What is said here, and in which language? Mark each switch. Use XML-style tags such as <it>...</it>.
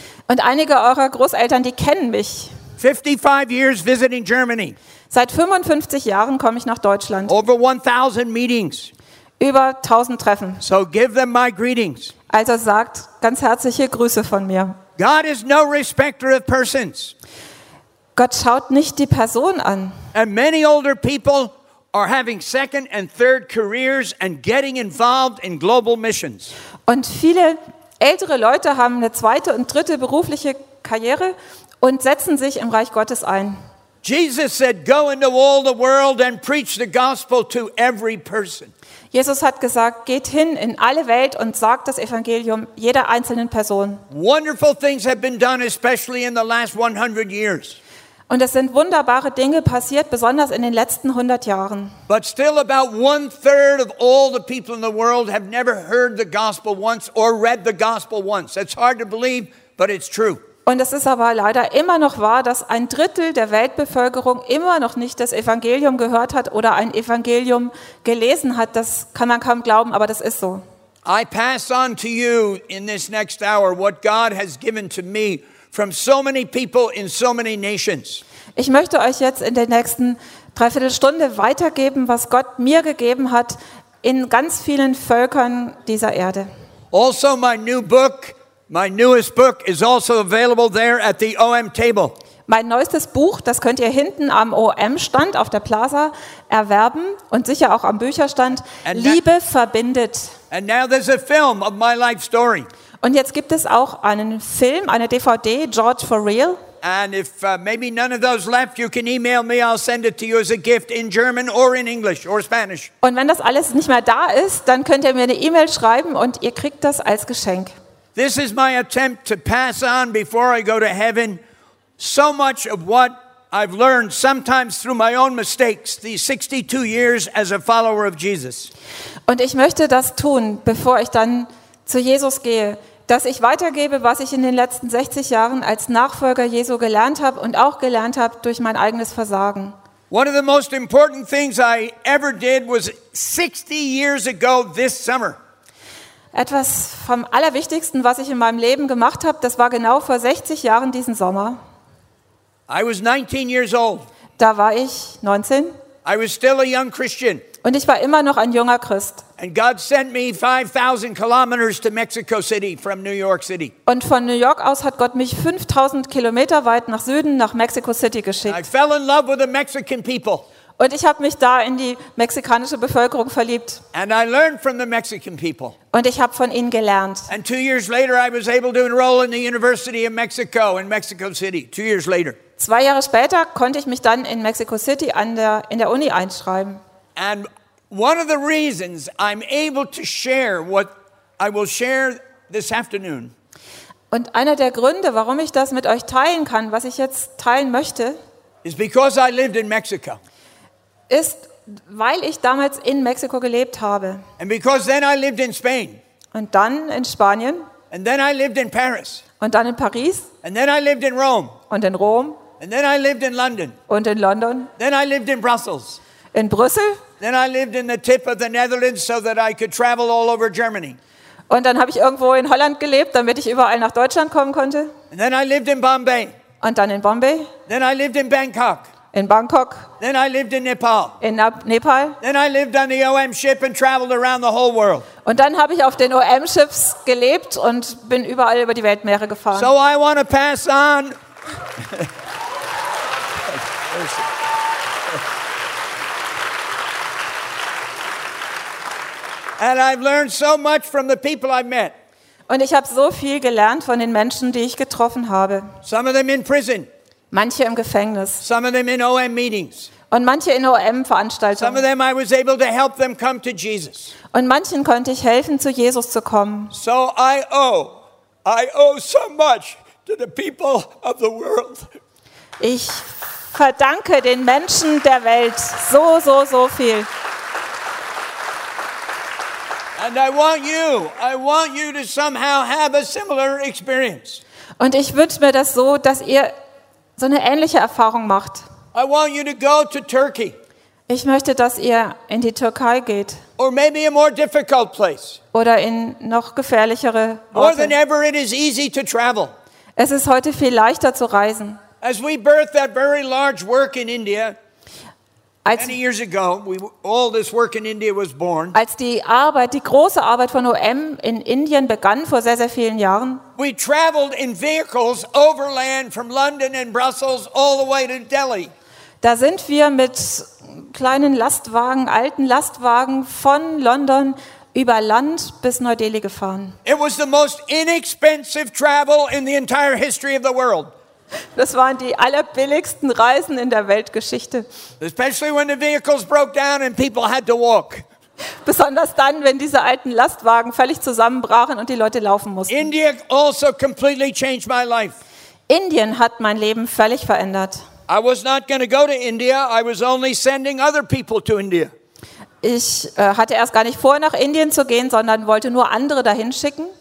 <de>Und einige eurer Großeltern, die kennen mich.</de> <en>55 years visiting Germany.</en> <de>Seit 55 Jahren komme ich nach Deutschland.</de> <en>Over 1000 meetings.</en> <de>Über 1000 Treffen.</de> <en>So give them my greetings.</en> <de>Also sagt ganz herzliche Grüße von mir.</de> <en>God is no respecter of persons.</en> <de>Gott schaut nicht die Person an.</de> <en>And many older people are having second and third careers and getting involved in global missions.</en> <de>Und viele ältere Leute haben eine zweite und dritte berufliche Karriere und setzen sich im Reich Gottes ein.</de> <en>Jesus said, "Go into all the world and preach the gospel to every person."</en> <de>Jesus hat gesagt, geht hin in alle Welt und sagt das Evangelium jeder einzelnen Person.</de> <en>Wonderful things have been done, especially in the last 100 years.</en> <de>Und es sind wunderbare Dinge passiert, besonders in den letzten 100 Jahren.</de> <en>But still about one third of all the people in the world have never heard the gospel once or read the gospel once. It's hard to believe, but it's true.</en> <de>Und es ist aber leider immer noch wahr, dass ein Drittel der Weltbevölkerung immer noch nicht das Evangelium gehört hat oder ein Evangelium gelesen hat. Das kann man kaum glauben, aber das ist so.</de> <en>I pass on to you in this next hour what God has given to me from so many people in so many nations.</en> <de>Ich möchte euch jetzt in der nächsten Dreiviertelstunde weitergeben, was Gott mir gegeben hat in ganz vielen Völkern dieser Erde. Also mein</de> <en>new book. My newest book is also available there at the OM table.</en> <de>Mein neuestes Buch, das könnt ihr hinten am OM-Stand auf der Plaza erwerben und sicher auch am Bücherstand. Liebe verbindet.</de> <en>And now there's a film of my life story.</en> <de>Und jetzt gibt es auch einen Film, eine DVD, George for Real.</de> <en>And if maybe none of those left, you can email me. I'll send it to you as a gift in German or in English or Spanish.</en> <de>Und wenn das alles nicht mehr da ist, dann könnt ihr mir eine E-Mail schreiben und ihr kriegt das als Geschenk.</de> <en>This is my attempt to pass on before I go to heaven so much of what I've learned sometimes through my own mistakes these 62 years as a follower of Jesus.</en> <de>Und ich möchte das tun, bevor ich dann zu Jesus gehe, dass ich weitergebe, was ich in den letzten 60 Jahren als Nachfolger Jesu gelernt habe und auch gelernt habe durch mein eigenes Versagen.</de> <en>One of the most important things I ever did was 60 years ago this summer.</en> <de>Etwas vom Allerwichtigsten, was ich in meinem Leben gemacht habe, das war genau vor 60 Jahren diesen Sommer.</de> <en>I was 19 years old.</en> <de>Da war ich 19.</de> <en>I was still a young Christian.</en> <de>Und ich war immer noch ein junger Christ.</de> <en>And God sent me 5,000 kilometers to Mexico City from New York City.</en> <de>Und von New York aus hat Gott mich 5,000 Kilometer weit nach Süden, nach Mexico City geschickt.</de> <en>I fell in love with the Mexican people.</en> <de>Und ich habe mich da in die mexikanische Bevölkerung verliebt.</de> <en>And I learned from the Mexican people.</en> <de>Und ich habe von ihnen gelernt.</de> <en>And 2 years later I was able to enroll in the University of Mexico in Mexico City. 2 years later.</en> <de>2 Jahre später konnte ich mich dann in Mexico City in der Uni einschreiben.</de> <en>And one of the reasons I'm able to share what I will share this afternoon.</en> <de>Und einer der Gründe, warum ich das mit euch teilen kann, was ich jetzt teilen möchte,</de> <en>is because I lived in Mexico.</en> <de>ist, weil ich damals in Mexiko gelebt habe.</de> <en>And because then I lived in Spain.</en> <de>Und dann in Spanien.</de> <en>And then I lived in Paris.</en> <de>Und dann in Paris.</de> <en>And then I lived in Rome.</en> <de>Und in Rom.</de> <en>And then I lived in London.</en> <de>Und in London.</de> <en>Then I lived in Brussels.</en> <de>In Brüssel.</de> <en>Then I lived in the tip of the Netherlands so that I could travel all over Germany.</en> <de>Und dann habe ich irgendwo in Holland gelebt, damit ich überall nach Deutschland kommen konnte.</de> <en>And then I lived in Bombay.</en> <de>Und dann in Bombay.</de> <en>Then I lived in Bangkok.</en> <de>In Bangkok.</de> <en>Then I lived in Nepal.</en> <de>In Nepal.</de> <en>Then I lived on the OM ship and traveled around the whole world.</en> <de>Und dann habe ich auf den OM Ships gelebt und bin überall über die Weltmeere gefahren.</de> <en>So I want to pass on. And I've learned so much from the people I've met.</en> <de>Und ich habe so viel gelernt von den Menschen, die ich getroffen habe.</de> <en>Some of them in prison.</en> <de>Manche im Gefängnis.</de> <en>Some of them in OM meetings.</en> <de>Und manche in OM-Veranstaltungen.</de> <en>Some of them I was able to help them come to Jesus.</en> <de>Und manchen konnte ich helfen, zu Jesus zu kommen.</de> <en>So I owe so much to the people of the world.</en> <de>Ich verdanke den Menschen der Welt so, so, so viel.</de> <en>And I want you to somehow have a similar experience.</en> <de>Und ich wünsche mir das so, dass ihr so eine ähnliche Erfahrung macht.</de> <en>I want you to go to Turkey.</en> <de>Ich möchte, dass ihr in die Türkei geht.</de> <en>Or maybe a more difficult place.</en> <de>Oder in noch gefährlichere Orte.</de> <en>More than ever it is easy to travel.</en> <de>Es ist heute viel leichter zu reisen.</de> <en>As we birthed that very large work in India. Many years ago, all this work in India was born.</en> <de>Als die Arbeit, die große Arbeit von OM in Indien begann vor sehr, sehr vielen Jahren.</de> <en>We traveled in vehicles overland from London and Brussels all the way to Delhi.</en> <de>Da sind wir mit kleinen Lastwagen, alten Lastwagen von London über Land bis Neu-Delhi gefahren.</de> <en>It was the most inexpensive travel in the entire history of the world.</en> <de>Das waren die allerbilligsten Reisen in der Weltgeschichte.</de> <en>Especially when the vehicles broke down and people had to walk.</en> <de>Besonders dann, wenn diese alten Lastwagen völlig zusammenbrachen und die Leute laufen mussten.</de> <en>India also completely changed my life.</en> <de>Indien hat mein Leben völlig verändert.</de> <en>I was not going to go to India, I was only sending other people to India.</en> <de>Ich hatte erst gar nicht vor, nach Indien zu gehen, sondern wollte nur andere dahin schicken.</de>